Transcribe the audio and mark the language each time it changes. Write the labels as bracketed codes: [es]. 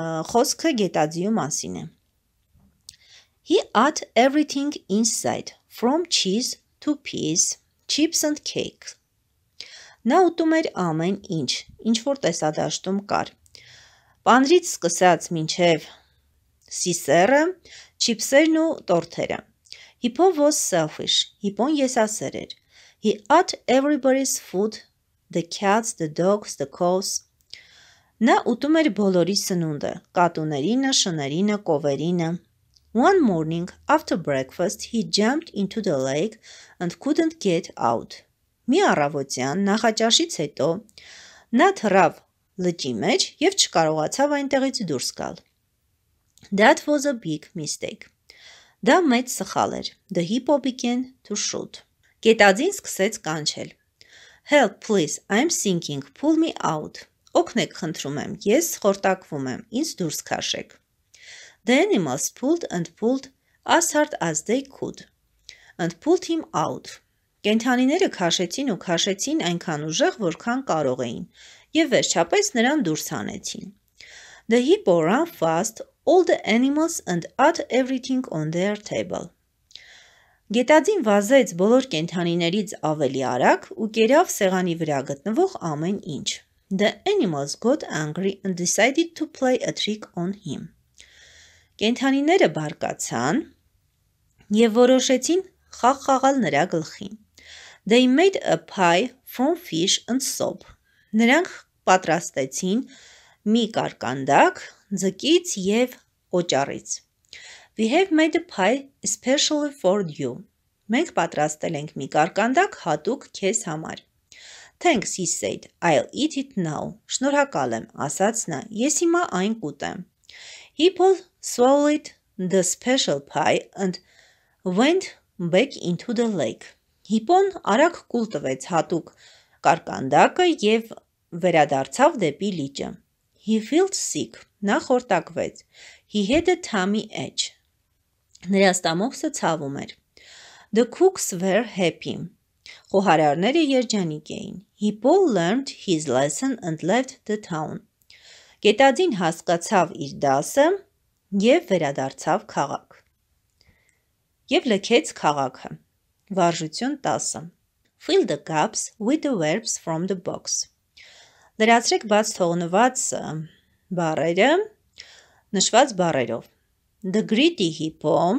[hy] Խոսքը գետաձիու մասին է. [en] He ate everything inside, from cheese to peas, chips and cake. [hy] Նա ուտում էր ամեն ինչ, ինչ որ տեսադաշտում կար. Պանրից սկսած մինչև սիսերը, չիպսերն ու տորթերը. [en] Hippo was selfish, [hy] հիպոն եսասեր էր. [en] He ate everybody's food, the cats, the dogs, the cows. [hy] Նա ուտում էր բոլորի սնունդը, կատուներինը, շներինը, կովերինը. [en] One morning, after breakfast, he jumped into the lake and couldn't get out. [hy] Մի առավոտյան, նախաճաշից հետո, նա թռավ լճի մեջ և չկարողացավ այնտեղից դուրս գալ. [en] That was a big mistake. [hy] Դա մեծ սխալ էր. [en] The hippo began to shoot. [hy] Գետաձին սկսեց կանչել. [en] Help, please, I'm sinking, pull me out. [hy] Օգնեք, խնդրում եմ, ես խորտակվում եմ, ինձ դուրս քաշեք. [en] The animals pulled and pulled as hard as they could and pulled him out. [hy] Կենդանիները քաշեցին ու քաշեցին այնքան ուժեղ, որքան կարող էին, և վերջապես նրան դուրս հանեցին. [en] The hippo ran fast all the animals and ate everything on their table. [hy] Գետաձին վազեց բոլոր կենդանիներից ավելի արագ ու կերավ սեղանի վրա գտնվող ամեն ինչ. [en] The animals got angry and decided to play a trick on him. [hy] Կենդանիները բարկացան և որոշեցին խաղ խաղալ նրա գլխին. [en] They made a pie from fish and soap. [hy] Նրանք պատրաստեցին մի կարկանդակ ձկից և օճառից. [en] We have made a pie especially for you. [hy] Մենք պատրաստել ենք մի կարկանդակ հատուկ քեզ համար. [en] Thanks, he said. I'll eat it now. [hy] Շնորհակալ եմ, ասաց նա, ես հիմա այն կուտեմ. [en] Hippo swallowed the special pie and went back into the lake. [hy] Հիպոն արագ կուլ տվեց հատուկ կարկանդակը և վերադարձավ դեպի լիճը. [en] He felt sick. [hy] Նա խորտակվեց. [en] He had a tummy ache. [hy] Նրա ստամոքսը ցավում էր. [en] The cooks were happy. [hy] Խոհարարները երջանիկ էին. [en] Hippo learned his lesson and left the town. [hy] Գետաձին հասկացավ իր դասը և վերադարձավ քաղաք։ Եվ լքեց քաղաքը։ Վարժություն 10. [en] Fill the gaps with the verbs from the box. [hy] Լրացրեք բաց թողնված բառերը նշված բառերով. [en] The greedy hippo